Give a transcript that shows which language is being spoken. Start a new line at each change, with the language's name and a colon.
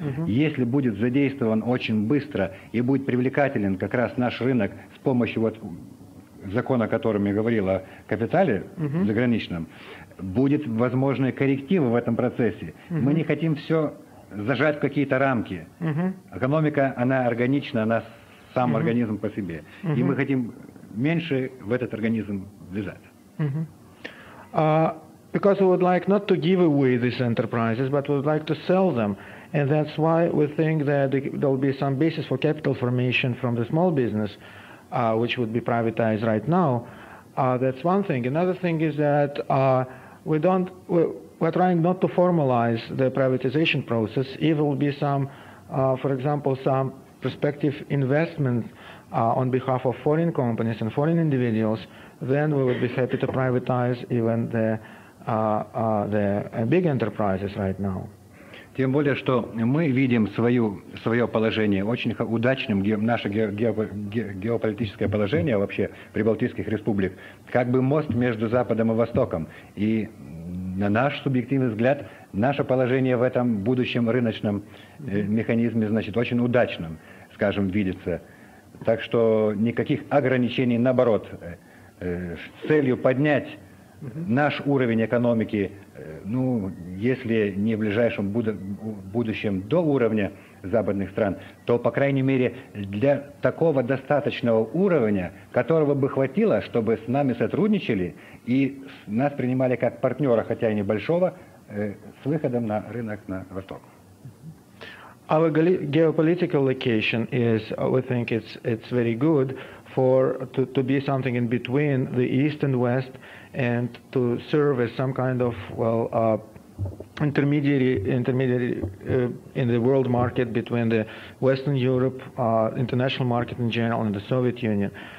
Russian: Если будет задействован очень быстро и будет привлекателен как раз наш рынок с помощью вот закон, о котором я говорил, о капитале заграничном, будет возможны коррективы в этом процессе. Мы не хотим все зажать в какие-то рамки. Экономика, она органична, она сам организм по себе. И мы хотим меньше в этот организм влезать.
English: Because we would like not to give away these enterprises, but we would like to sell them. And that's why we think that there will be some basis for capital formation from the small business, which would be privatized right now. That's one thing. Another thing is that we're trying not to formalize the privatization process. It will be some, for example, some prospective investment on behalf of foreign companies and foreign individuals. Then we would be happy to privatize even the big enterprises right now.
Russian: Тем более, что мы видим свое положение очень удачным, наше геополитическое положение вообще прибалтийских республик, как бы мост между Западом и Востоком. И на наш субъективный взгляд, наше положение в этом будущем рыночном механизме, значит, очень удачным, скажем, видится. Так что никаких ограничений, наоборот, с целью поднять наш уровень экономики, ну, если не в ближайшем будущем до уровня западных стран, то, по крайней мере, для такого достаточного уровня, которого бы хватило, чтобы с нами сотрудничали и нас принимали как партнера, хотя и небольшого, с выходом на рынок на Восток.
English: Our geopolitical location is, we think it's very good for to be something in between the East and West, and to serve as some kind of, well, intermediary in the world market between the Western Europe, international market in general, and the Soviet Union.